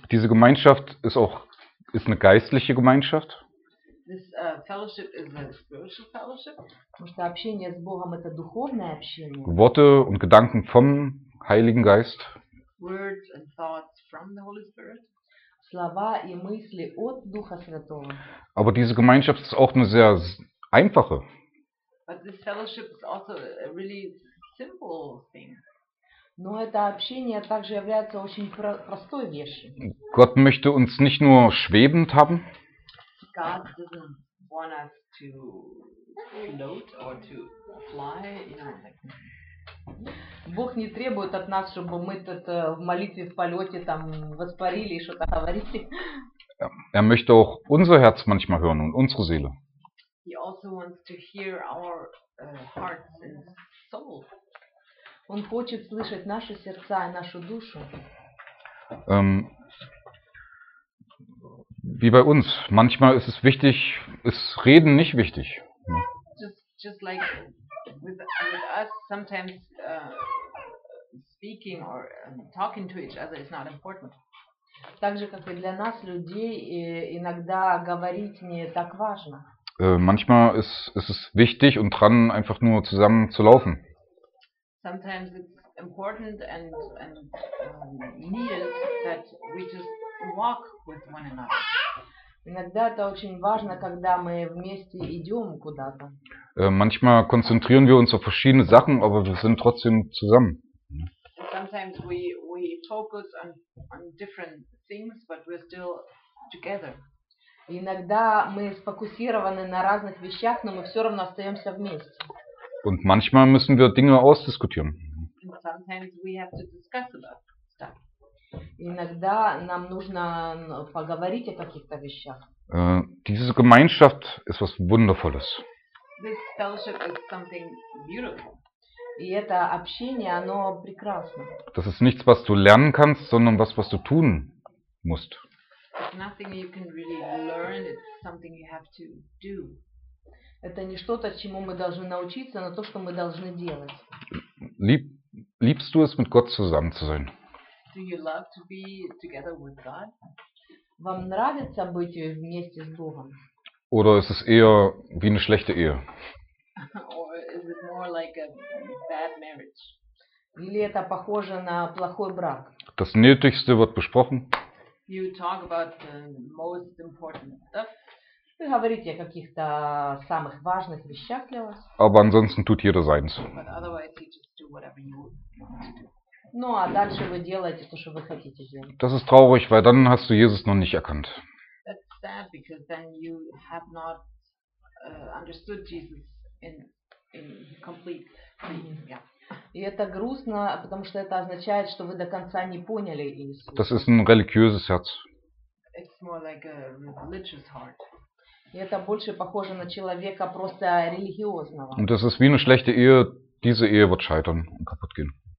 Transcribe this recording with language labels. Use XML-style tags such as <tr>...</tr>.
<de>Diese Gemeinschaft ist eine geistliche Gemeinschaft.</de> <en>This fellowship is a spiritual fellowship.</en> <ru>Потому что общение с Богом это духовное общение.</ru> <de>Worte und Gedanken vom Heiligen Geist.</de> <en>Words and thoughts from the Holy Spirit.</en> <ru>Слова и мысли от Духа Святого.</ru> <de>Aber diese Gemeinschaft ist auch eine sehr einfache.</de> <en>But this fellowship is also a really simple thing.</en> <ru>Но это общение также является очень простой вещью.</ru> <de>Gott möchte uns nicht nur schwebend haben.</de> <en>God doesn't want us to float or to fly, you know, like</en> <ru>Бог не требует от нас, чтобы мы тут в молитве, в полете там воспарили и что-то говорили.</ru> <de>Er möchte auch unser Herz manchmal hören und unsere Seele.</de> <en>He also wants to hear our hearts and soul.</en> <ru>Он хочет слышать наши сердца и нашу душу.</ru> <de>Wie bei uns. Manchmal ist es wichtig, ist Reden nicht wichtig.</de> <en>Just like with us, sometimes speaking or talking to each other is not important.</en> <ru>Так же, как и для нас, людей, иногда говорить не так важно.</ru> <de>Manchmal ist es wichtig und dran, einfach nur zusammen zu laufen.</de> <en>Sometimes it's important and needed that we just walk with one another.</en> <ru>Иногда это очень важно, когда мы вместе идем куда-то.</ru> <de>Manchmal konzentrieren wir uns auf verschiedene Sachen, aber wir sind trotzdem zusammen.</de> <en>Sometimes we focus on different things, but we're still together.</en> <ru>Иногда мы сфокусированы на разных вещах, но мы все равно остаемся вместе.</ru> <de>Und manchmal müssen wir Dinge ausdiskutieren.</de> <en>And sometimes we have to discuss about stuff.</en> <ru>Иногда нам нужно поговорить о каких-то вещах.</ru> <de>Diese Gemeinschaft ist was Wundervolles.</de> <en>This fellowship is something beautiful.</en> <ru>И это общение, оно прекрасно.</ru> <de>Das ist nichts, was du lernen kannst, sondern was du tun musst.</de> <en>It's nothing you can really learn, it's something you have to do.</en> <ru>Это не что-то, чему мы должны научиться, но то, что мы должны делать.</ru> <de>Liebst du es, mit Gott zusammen zu sein?</de> <en>Do you love to be together with God?</en> <ru>Вам нравится быть вместе с Богом?</ru> <de>Oder ist es eher wie eine schlechte Ehe?</de> <en>Or is it more like a bad marriage?</en> <ru>Или это похоже на плохой брак?</ru> <de>Das Nötigste wird besprochen.</de> <en>You talk about the most important stuff.</en> <ru>Вы говорите о каких-то самых важных вещах для вас.</ru> <de>Aber ansonsten tut jeder seins.</de> <en>But otherwise you just do whatever you want to do.</en> <ru>Ну, а дальше вы делаете то, что вы хотите делать.</ru> <de>Das ist traurig, weil dann hast du Jesus noch nicht erkannt.</de> <en>That's sad, because then you have not understood Jesus in complete meaning.</en> <ru>И это грустно, потому что это означает, что вы до конца не поняли Иисуса.</ru> <de>Das ist ein religiöses Herz.</de> <en>It's more like a religious heart.</en> <ru>И это больше похоже на человека просто религиозного.</ru> <de>Und das ist wie eine schlechte Ehe. Diese Ehe wird scheitern und kaputt gehen.</de>